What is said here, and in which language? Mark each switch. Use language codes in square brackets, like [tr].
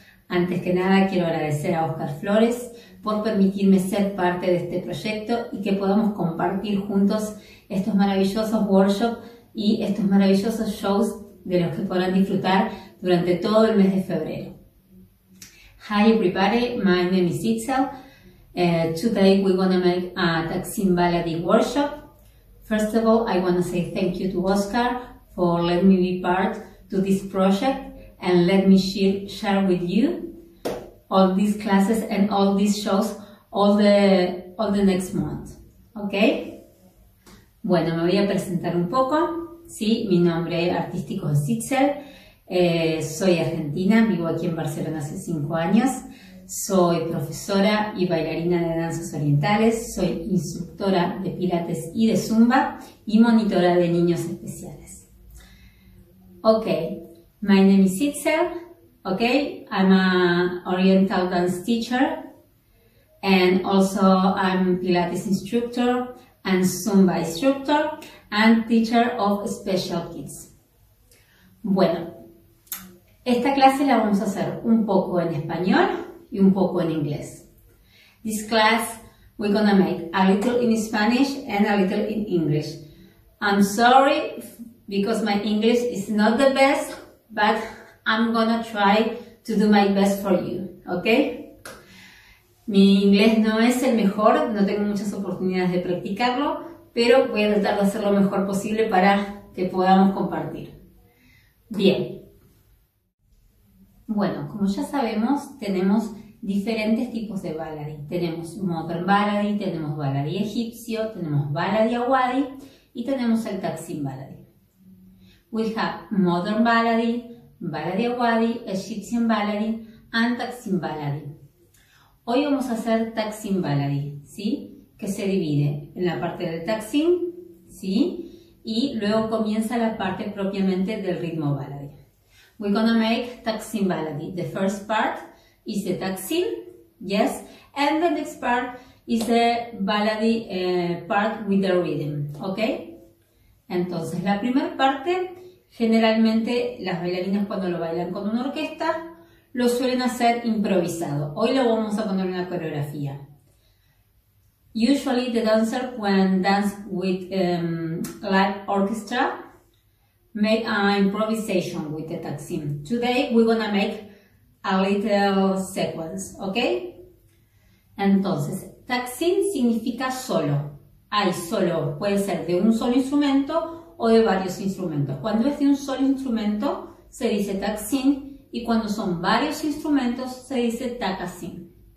[es] Antes que nada, quiero agradecer a Oscar Flores por permitirme ser parte de este proyecto y que podamos compartir juntos estos maravillosos workshops y estos maravillosos shows de los que podrán disfrutar durante todo el mes de febrero. [en] Hi everybody, my name is Itzel. Today we're going to make a Taksim Vanity workshop. First of all, I want to say thank you to Oscar for letting me be part to this project and let me share with you all these classes and all these shows all the next month, okay? [es] Bueno, me voy a presentar un poco. Sí, mi nombre artístico es Itzel. Soy argentina, vivo aquí en Barcelona hace 5 años. Soy profesora y bailarina de danzas orientales, soy instructora de pilates y de zumba y monitora de niños especiales. [en] Ok, my name is Itzel. Ok, I'm a oriental dance teacher and also I'm pilates instructor and zumba instructor and teacher of special kids. [es] Bueno, esta clase la vamos a hacer un poco en español y un poco en inglés. [en] This class we're gonna make a little in Spanish and a little in English. I'm sorry because my English is not the best, but I'm gonna try to do my best for you, okay? [es] Mi inglés no es el mejor, no tengo muchas oportunidades de practicarlo, pero voy a tratar de hacer lo mejor posible para que podamos compartir. Bien. Bueno, como ya sabemos, tenemos diferentes tipos de Vanity. Tenemos Modern Vanity, tenemos Vanity Egipcio, tenemos Vanity Awadhi y tenemos el Taksim Vanity. [en] We have Modern Vanity, Vanity Awadhi, Egyptian Vanity and Taksim Vanity. [es] Hoy vamos a hacer Taksim Vanity, ¿sí? Que se divide en la parte del Taksim, ¿sí? Y luego comienza la parte propiamente del ritmo Vanity. [en] We're gonna make Taksim Vanity. The first part is the Taksim, yes, and the next part is the Vanity part with the rhythm, okay? [es] Entonces, la primera parte, generalmente las bailarinas cuando lo bailan con una orquesta, lo suelen hacer improvisado. Hoy lo vamos a poner en la coreografía. [en] Usually the dancer when dance with live orchestra, make an improvisation with the Taksim. Today we're gonna make a little sequence, ok? [es] Entonces, Taksim significa solo. Hay solo, puede ser de un solo instrumento o de varios instrumentos. Cuando es de un solo instrumento se dice Taksim y cuando son varios instrumentos se dice Takasim.